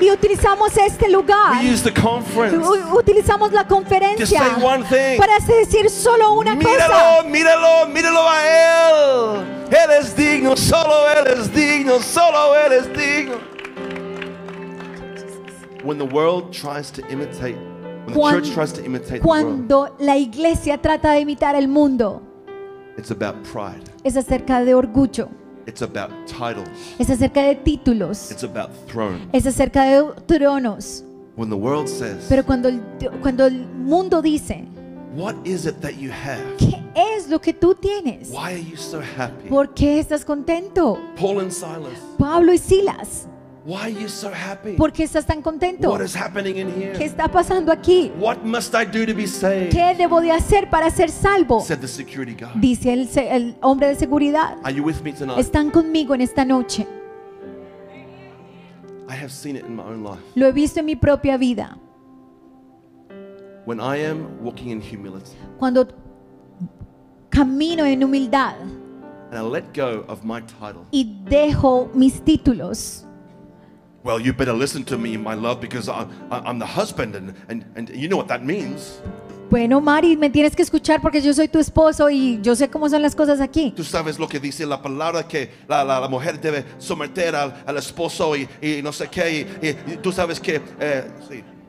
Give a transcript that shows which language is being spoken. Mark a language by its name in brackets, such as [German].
[Spanish] Y utilizamos este lugar. [English] We use the conference. [Spanish] Utilizamos la conferencia. [English] To say one thing. [Spanish] Para decir solo una míralo, cosa. Míralo, míralo a él. Él es digno, solo él es digno, solo él es digno. [English] When the world tries to imitate, when the church tries to imitate the world, [Spanish] cuando la iglesia trata de imitar el mundo, [English] it's about pride. [Spanish] Es acerca de orgullo. [English] It's about titles. [Spanish] Es acerca de títulos. [English] It's about thrones. [Spanish] Es acerca de tronos. [English] When the world says, [Spanish] pero cuando el mundo dice, [English] what is it that you have? [Spanish] ¿Qué es lo que tú tienes? [English] Why are you so happy? [Spanish] ¿Por qué estás contento? [English] Paul and Silas. [Spanish] Pablo y Silas. [English] Why are you so happy? [Spanish] ¿Por qué estás tan contento? [English] What is happening in here? [Spanish] ¿Qué está pasando aquí? [English] What must I do to be saved? [Spanish] ¿Qué debo de hacer para ser salvo? [English] Said the security guard. [Spanish] Dice el hombre de seguridad. [English] Are you with me tonight? [Spanish] ¿Están conmigo en esta noche? [English] I have seen it in my own life. [Spanish] Lo he visto en mi propia vida. [English] When I am walking in humility. [Spanish] Cuando camino en humildad. [English] And I let go of my title. [Spanish] Y dejo mis títulos. [English] Well, you better listen to me, my love, because I'm the husband, and you know what that means. [Spanish] Bueno, Mari, me tienes que escuchar porque yo soy tu esposo y yo sé cómo son las cosas aquí. Tú sabes lo que dice la palabra que la mujer debe someter al esposo y no sé qué y tú sabes que sí.